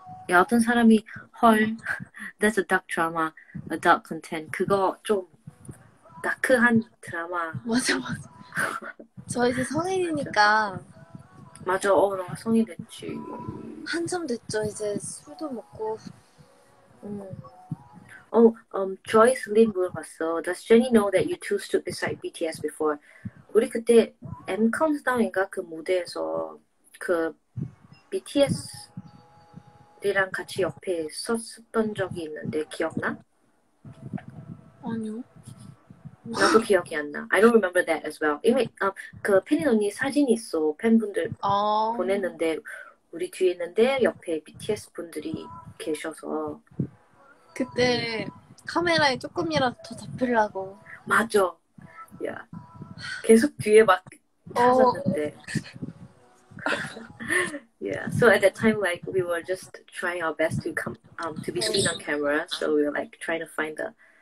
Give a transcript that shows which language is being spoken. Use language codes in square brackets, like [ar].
[ko] 야, 어떤 사람이 헐, [en] that's a dark drama, a dark content. [ko] 그거 좀 다크한 드라마. 맞아, 맞아. 저 이제 성인이니까. 맞아, 어, 너가 성인 됐지. 한참 됐죠, 이제 술도 먹고. 어, Joyce Lin 물어봤어. [en] Does Jennie know that you two stood beside BTS before? [ko] 우리 그때 M Countdown인가 그 무대에서 그 BTS랑 같이 옆에 섰었던 적이 있는데 기억나? 아니요. 나도 기억이 안 나. [en] I don't remember that as well. [ko] 이미 그 페린 언니 사진 있어. 팬분들 보냈는데 우리 뒤에 있는데 옆에 BTS 분들이 계셔서. 그때 카메라에 조금이라도 더 잡히려고. 맞아. 야, 계속 뒤에 막 찾았는데. 예. [en] Yeah. So at that time, like we were just trying our best to come to be seen on camera. So we were like trying to find the.